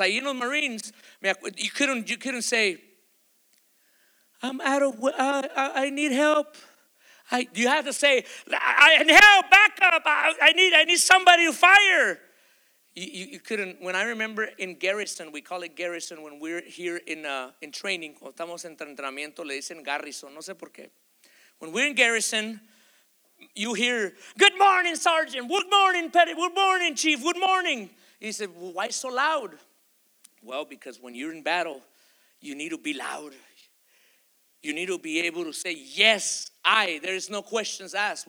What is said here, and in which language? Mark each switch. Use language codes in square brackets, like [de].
[es] Ahí en los Marines, [en] you couldn't say, I'm out of, I need help. You have to say, I need help, back up, I need somebody to fire. You couldn't. When I remember in garrison, we call it garrison when we're here in training. [es] Cuando estamos en entrenamiento, le dicen garrison, no sé por qué. [en] When we're in garrison, you hear, good morning, sergeant, good morning, petty, good morning, chief, good morning. He said, well, why so loud? Well, because when you're in battle, you need to be loud. You need to be able to say, yes, I. There is no questions asked.